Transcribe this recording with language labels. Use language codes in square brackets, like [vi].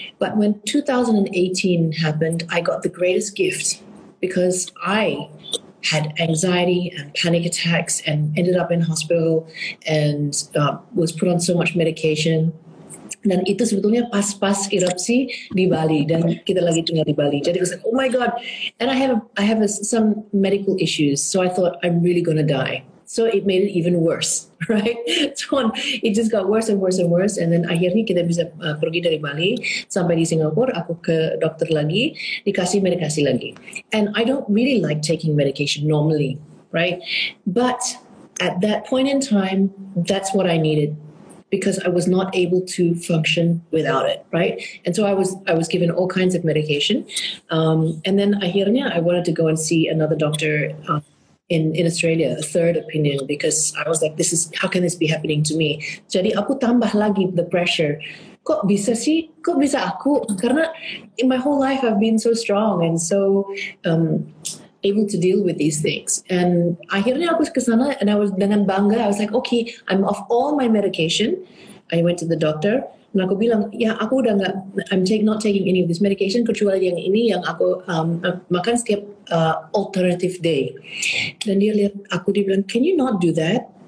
[en] But when 2018 happened, I got the greatest gift because I had anxiety and panic attacks and ended up in hospital and was put on so much medication. [id] Dan itu sebetulnya pas-pas erupsi di Bali dan kita lagi tinggal di Bali. Jadi [en] I was like, oh my God. And I have some medical issues. So I thought I'm really going to die. So it made it even worse, right? So it just got worse and worse and worse. And then [id] akhirnya kita bisa pergi dari Bali sampai di Singapura. Aku ke dokter lagi, dikasih medikasi lagi. [en] And I don't really like taking medication normally, right? But at that point in time, that's what I needed. Because I was not able to function without it, right? And so I was given all kinds of medication. And then akhirnya I wanted to go and see another doctor in Australia, a third opinion, because I was like, this is, how can this be happening to me? [id] Jadi aku tambah lagi [en] the pressure. [id] Kok bisa sih? Kok bisa aku? [en] Karena in my whole life I've been so strong and so able to deal with these things. [id] And akhirnya aku kesana [en] and I was [id] dengan bangga. [en] I was like, okay, I'm off all my medication. I went to the doctor. And [id] aku bilang, ya aku udah gak, [en] I'm not taking any of this medication, [id] kecuali yang ini yang aku makan setiap [en] alternative day. [id] Dan dia lihat aku, dia bilang, [en] can you not do that?